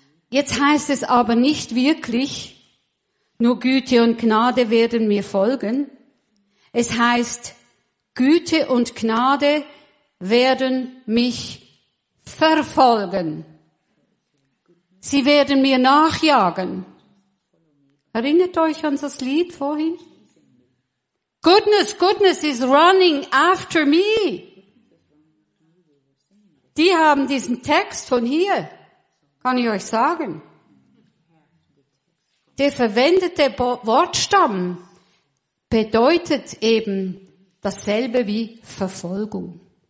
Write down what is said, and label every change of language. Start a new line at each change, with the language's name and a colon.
German: Jetzt heißt es aber nicht wirklich, nur Güte und Gnade werden mir folgen. Es heißt, Güte und Gnade werden mich verfolgen. Sie werden mir nachjagen. Erinnert euch an das Lied vorhin?
English: Goodness, goodness is running after me.
German: Die haben diesen Text von hier, kann ich euch sagen. Der verwendete Wortstamm bedeutet eben dasselbe wie Verfolgung.